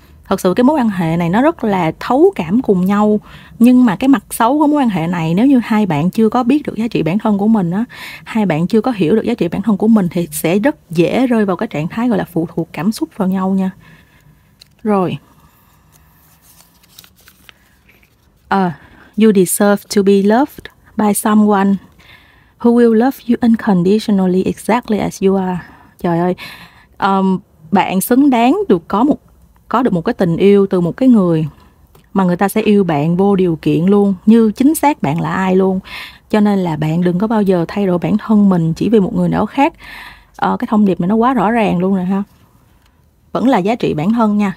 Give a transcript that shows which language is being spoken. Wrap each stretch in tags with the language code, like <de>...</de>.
<vi>Thật sự cái mối quan hệ này nó rất là thấu cảm cùng nhau. Nhưng mà cái mặt xấu của mối quan hệ này, nếu như hai bạn chưa có biết được giá trị bản thân của mình á, hai bạn chưa có hiểu được giá trị bản thân của mình, thì sẽ rất dễ rơi vào cái trạng thái gọi là phụ thuộc cảm xúc vào nhau nha. Rồi.</vi> <en>You deserve to be loved by someone who will love you unconditionally exactly as you are.</en> <vi>Trời ơi. Bạn xứng đáng được có được một cái tình yêu từ một cái người mà người ta sẽ yêu bạn vô điều kiện luôn, như chính xác bạn là ai luôn. Cho nên là bạn đừng có bao giờ thay đổi bản thân mình chỉ vì một người nào khác. Cái thông điệp này nó quá rõ ràng luôn rồi ha. Vẫn là giá trị bản thân nha.</vi>